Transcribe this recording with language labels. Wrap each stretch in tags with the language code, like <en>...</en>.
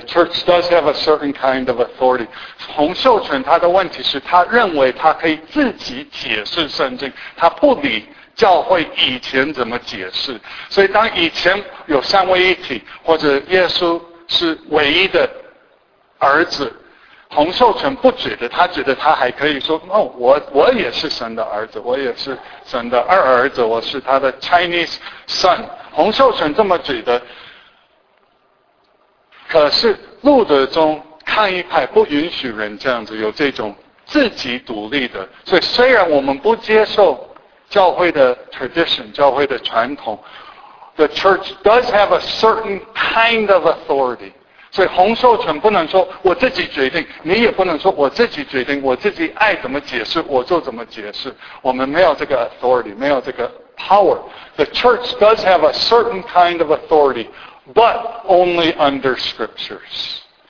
<en>The church does have a certain kind of authority.</en> <zh>洪秀全他的问题是他认为他可以自己解释圣经，他不理教会以前怎么解释。所以当以前有三位一体，或者耶稣是唯一的儿子，洪秀全不觉得，他觉得他还可以说、哦、我也是神的儿子，我也是神的二儿子，我是他的</zh> <en>Chinese son。</en> <zh>洪秀全这么觉得。可是路德宗抗议派不允许人这样子有这种自己独立的，所以虽然我们不接受教会的 tradition， 教会的传统，</zh> <en>The church does have a certain kind of authority。</en> <zh>所以洪秀全不能说我自己决定，你也不能说我自己决定，我自己爱怎么解释我就怎么解释。我们没有这个 authority， 没有这个 power。</zh> <en>The church does have a certain kind of authority, but only under scriptures.</en>